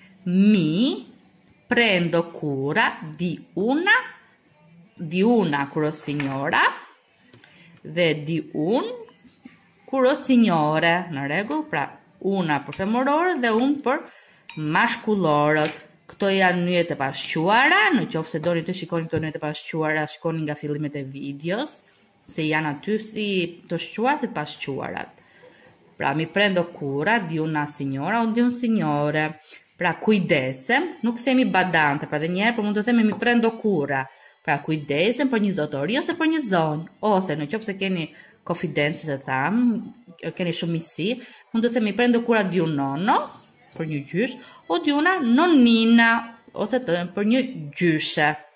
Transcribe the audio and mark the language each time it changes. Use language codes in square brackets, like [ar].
[it] mi prendo cura di una, curo signora, dhe di un, curo signore, [sq] në regull, pra, [it] una [sq] për femërorë [it] dhe un [sq] për mashkullorët. Këto janë nyjet e pashquara, në qoftë se doni të shikoni këto nyjet e pashquara, shikoni nga fillimet e videos, se janë aty si të shquar, si të pashquarat. [it] Pra, mi prendo cura di una signora o di un signore. [sq] Pra, kujdesem, nuk themi badante, pra dhe njerë, por mund të themi [it] mi prendo cura. [sq] Pra, kujdesem për një zotori, ose për një zonë, ose në qoftë se keni konfidencë, se thamë, keni shumësi, mund të themi [it] mi prendo cura di un nonno, [sq] per një gjysh, [it] o di una nonnina, [sq] ose të për një gjyshe.